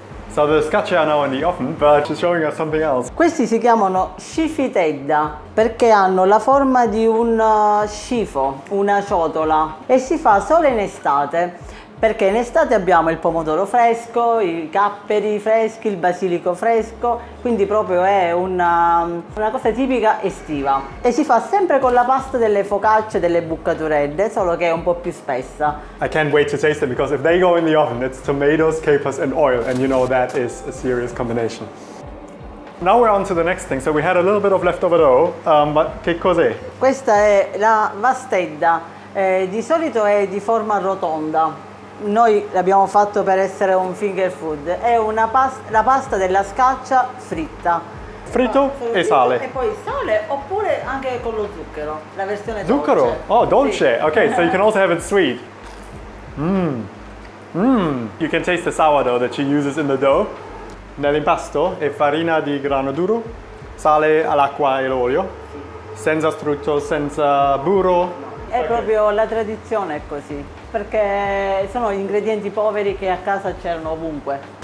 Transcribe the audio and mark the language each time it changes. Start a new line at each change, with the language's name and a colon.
English: So the scaccia are now in the oven, but she's showing us something else.
Italian: Questi si chiamano Scifitieddu perché hanno la forma di un scifo, una ciotola, e si fa solo in estate perché in estate abbiamo il pomodoro fresco, i capperi freschi, il basilico fresco, quindi proprio è una cosa tipica estiva. E si fa sempre con la pasta delle focacce, delle buccaturedde, solo che è un po' più spessa.
English: I can't wait to taste it because if they go in the oven, it's tomatoes, capers and oil, and you know that is a serious combination. Now we're on to the next thing. So we had a little bit of leftover dough, but
Italian: che cos'è? Questa è la Vastedda. Di solito è di forma rotonda. Noi l'abbiamo fatto per essere un finger food. È una pasta, la pasta della scaccia fritta. Fritto e sale. E poi sale oppure anche con lo zucchero, la versione zucchero. Dolce. Oh, dolce. Sì.
English: Okay, so you can also have it sweet. You can taste the sourdough that she uses in the dough.
Italian: Nell'impasto è farina di grano duro, sale, all'acqua e l'olio. Sì. Senza strutto, senza burro. È proprio la tradizione, è così, perché sono gli ingredienti poveri che a casa c'erano ovunque.